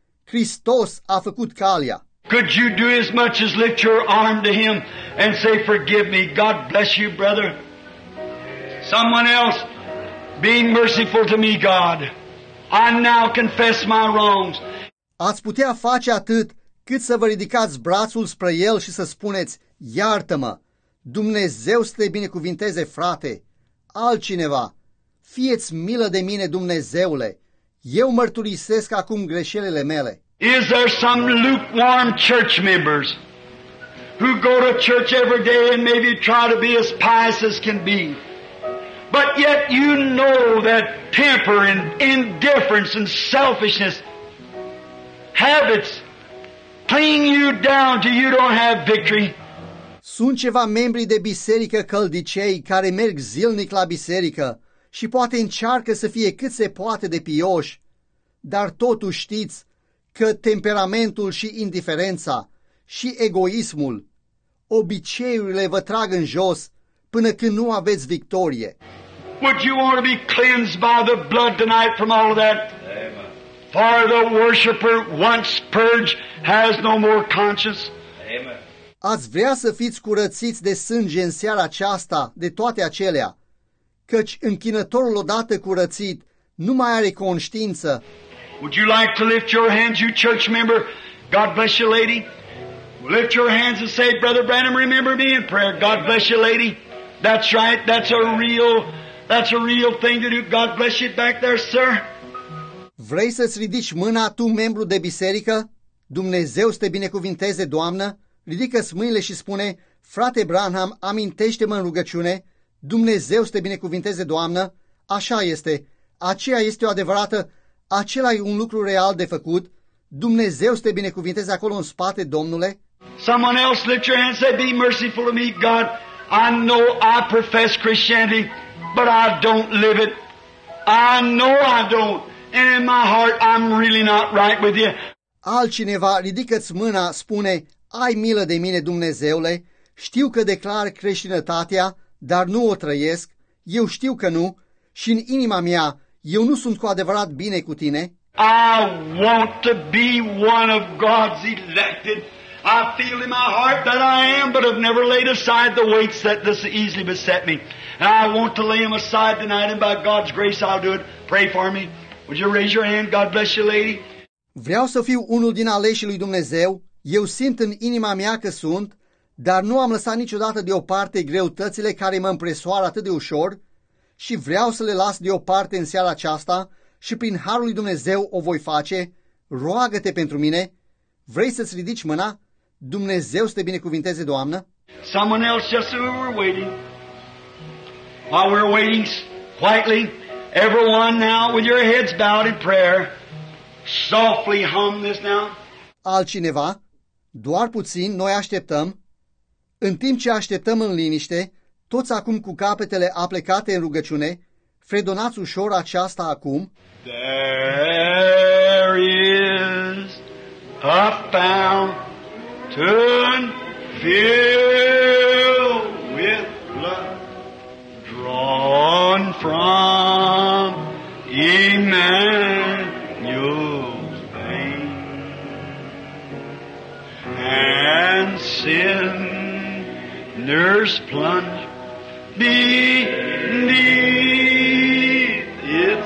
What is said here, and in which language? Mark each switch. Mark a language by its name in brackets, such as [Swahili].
[Romanian] Hristos a făcut calea. [English] Could you do as much as lift your arm to him and say, forgive me, God bless you, brother? Someone else, be merciful to me, God. I now confess my wrongs. [Romanian] Ați putea face atât cât să vă ridicați brațul spre el și să spuneți, iartă-mă, Dumnezeu să te binecuvinteze, frate, altcineva, fie-ți milă de mine, Dumnezeule, eu mărturisesc acum greșelile mele. [English] Is there some lukewarm church members who go to church every day and maybe try to be as pious as can be, but yet you know that temper and indifference and selfishness, habits, bring you down till you don't have victory? [Romanian] Sunt ceva membri de biserică căldicei care merg zilnic la biserică și poate încearcă să fie cât se poate de pioși, dar totuși știți că temperamentul și indiferența și egoismul, obiceiurile vă trag în jos până când nu aveți victorie. [English] Would you want to be cleansed by the blood tonight from all of that? Amen. For the worshipper once purged has no more conscience. Amen. [Romanian] Ați vrea să fiți curățiți de sânge în seara aceasta, de toate acelea, căci închinătorul odată curățit nu mai are conștiință. [English] Would you like to lift your hands, you church member? God bless you, lady. Lift your hands and say, Brother Branham, remember me in prayer. God bless you, lady. That's right. That's a real thing to do. God bless you back there, sir. [Romanian] Vrei să-ți ridici mâna, tu, membru de biserică? Dumnezeu să te binecuvinteze, Doamnă. Ridică-ți mâinile și spune, Frate Branham, amintește-mă în rugăciune. Dumnezeu să te binecuvinteze, Doamnă. Așa este. Aceea este o adevărată. Acela e un lucru real de făcut. Dumnezeu să te binecuvinteze acolo în spate, Domnule. [English] Someone else lift your hand and say, be merciful to me, God. I know I profess Christianity, but I don't live it. I know I don't. And in my heart, I'm really not right with you. [Romanian] Altcineva, ridică-ți mâna, spune, ai milă de mine, Dumnezeule. Știu că declar creștinătatea, dar nu o trăiesc. Eu știu că nu. Și în inima mea, eu nu sunt cu adevărat bine cu tine. [English] I want to be one of God's elected. I feel in my heart that I am, but I've never laid aside the weights that this easily beset me. And I want to lay them aside tonight, and by God's grace I'll do it. Pray for me. Would you raise your hand? God bless you, lady. [Romanian] Vreau să fiu unul din aleșii lui Dumnezeu. Eu simt în inima mea că sunt, dar nu am lăsat niciodată deoparte greutățile care mă împresoară atât de ușor. Și vreau să le las deoparte în seara aceasta și prin harul lui Dumnezeu o voi face. Roagă-te pentru mine. Vrei să-ți ridici mâna? Dumnezeu să te binecuvinteze, Doamnă. [English] Someone else just said we're waiting. While we're waiting quietly, everyone now with your heads bowed in prayer, softly hum this now. [Romanian] Altcineva, doar puțin, noi așteptăm. În timp ce așteptăm în liniște, toți acum cu capetele aplecate în rugăciune, fredonați ușor aceasta acum. [English] There is a fountain filled with blood drawn from Emmanuel's vein and sinners plunge beneath it.